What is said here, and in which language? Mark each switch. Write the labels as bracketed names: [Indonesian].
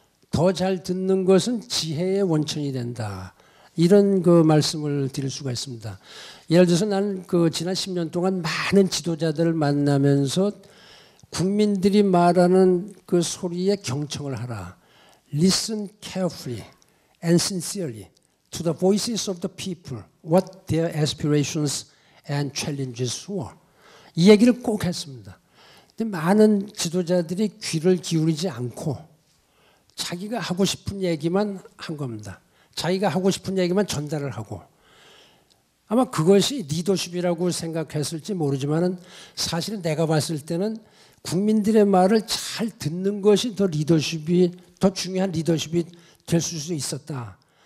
[Korean] 더 잘 듣는 것은 지혜의 원천이 된다. 이런 그 말씀을 드릴 수가 있습니다. 예를 들어서 나는 그 지난 10년 동안 많은 지도자들을 만나면서 국민들이 말하는 그 소리에 경청을 하라. [English] Listen carefully and sincerely to the voices of the people, what their aspirations and challenges were. [Korean] 이 얘기를 꼭 했습니다. 근데 많은 지도자들이 귀를 기울이지 않고 자기가 하고 싶은 얘기만 한 겁니다. 자기가 하고 싶은 얘기만 전달을 하고 아마 그것이 리더십이라고 생각했을지 모르지만은 사실은 내가 봤을 때는 국민들의 말을 잘 듣는 것이 더 리더십이 더 중요한 리더십이 될 수 있었다.